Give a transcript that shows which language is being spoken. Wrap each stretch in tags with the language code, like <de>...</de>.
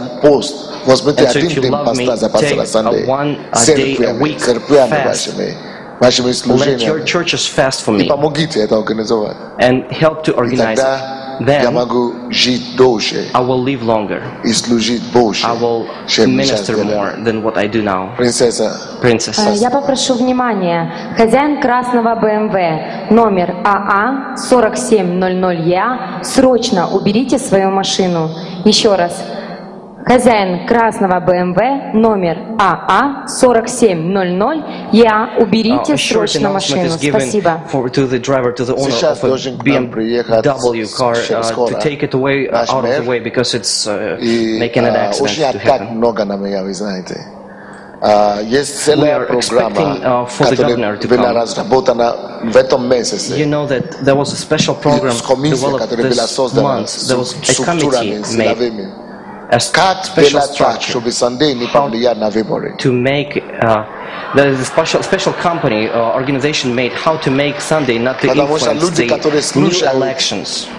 <en>And so if you love me, take a day a week fast. Let your churches fast for me. And help to organize it. then I will live longer. I will minister more than what I do now.</en> <ru>Принцесса.</ru> <en>Princess.</en> <ru>Я попрошу внимания. Хозяин красного BMW, номер AA4700EA, срочно уберите свою машину. Еще раз. Хозяин красного BMW, номер AA4700, я уберите срочно машину. Спасибо.</ru> <en>For, to the driver, to the owner of a BMW car, to take it away out of the way because it's making an accident to happen.</en> <ru>Много на меня, вы знаете. Есть целая программа, которая разработана в этом месяце.</ru> <en>You know that there was a special program developed this month. There was a committee made. A special structure to make there is a special company or organization made how to make Sunday not to influence the new elections.</en>